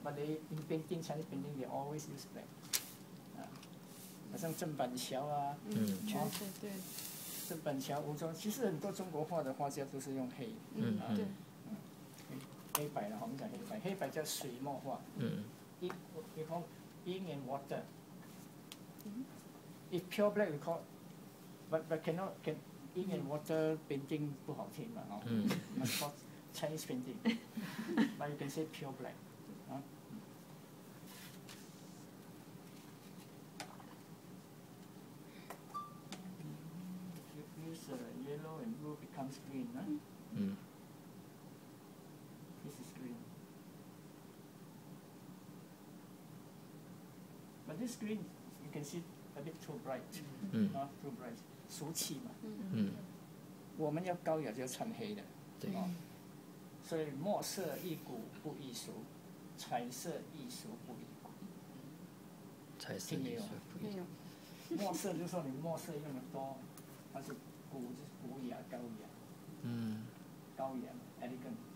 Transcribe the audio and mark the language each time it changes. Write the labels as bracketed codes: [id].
[en] But they in painting, Chinese painting, they always use black. [zh] 好像郑板桥啊，确实对。郑板桥、吴庄，其实很多中国画的画家都是用黑。对。黑白的，我们讲黑白，黑白叫水墨画。 [en] We call ink and water. If pure black, we call, but cannot can. Ink and water painting [zh] 不好听嘛， [en] must call Chinese painting， but you can say pure black。 If you use yellow and blue becomes green， This is green， but this green you can see a bit too bright， too bright。 [zh] 俗气嘛，我们要高雅就要穿黑的，对吗？所以墨色一古不一俗，彩色一俗不一古。彩色一俗不一古。墨色就是说你墨色用的多，它是古就是古雅高雅，高雅 elegant。